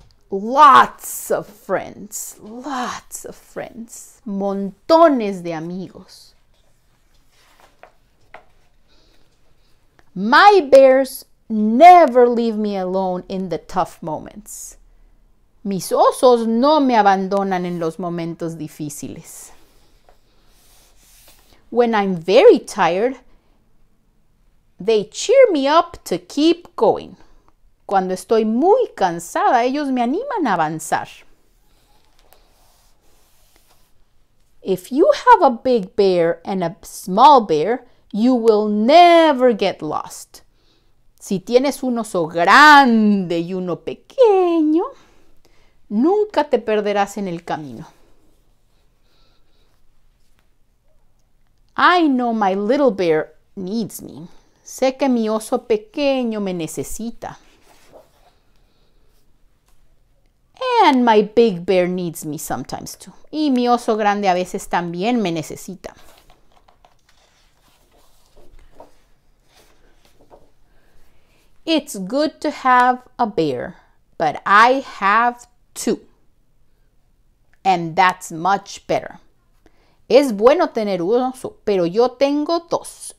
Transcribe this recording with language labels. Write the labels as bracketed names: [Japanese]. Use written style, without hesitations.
[English] Lots of friends. [Spanish] Montones de amigos. [English] My bears never leave me alone in the tough moments. [Spanish] Mis osos no me abandonan en los momentos difíciles. [English] When I'm very tired, they cheer me up to keep going. [Spanish] Cuando estoy muy cansada, ellos me animan a avanzar. [English] If you have a big bear and a small bear, you will never get lost. [Spanish] Si tienes un oso grande y uno pequeño, nunca te perderás en el camino. [English] I know my little bear needs me. [Spanish] Sé que mi oso pequeño me necesita. [English] And my big bear needs me sometimes too. [Spanish] Y mi oso grande a veces también me necesita. [English] It's good to have a bear, but I have two. And that's much better. [Spanish] Es bueno tener un oso, pero yo tengo dos.